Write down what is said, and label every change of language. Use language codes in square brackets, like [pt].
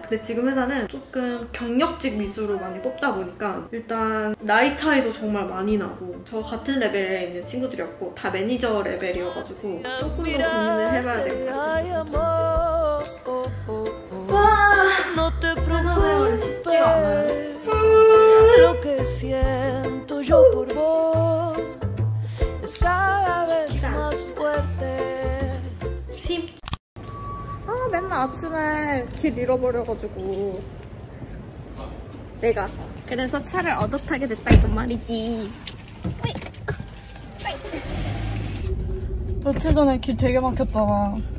[ko] 근데 지금 회사는 조금 경력직 위주로 많이 뽑다 보니까 일단 나이 차이도 정말 많이 나고 저 같은 레벨에 있는 친구들이었고 다 매니저 레벨이어가지고 조금 더 고민을 해봐야 될 것 같아요. 와, 회사 생활이 쉽지가 않아요. [es] Lo que siento yo por vos es cada vez más fuerte. [ko] 아, 맨날 아침에 길 잃어버려가지고 내가 그래서 차를 얻어 타게 됐다 이건 말이지. 며칠 전에 길 되게 막혔잖아.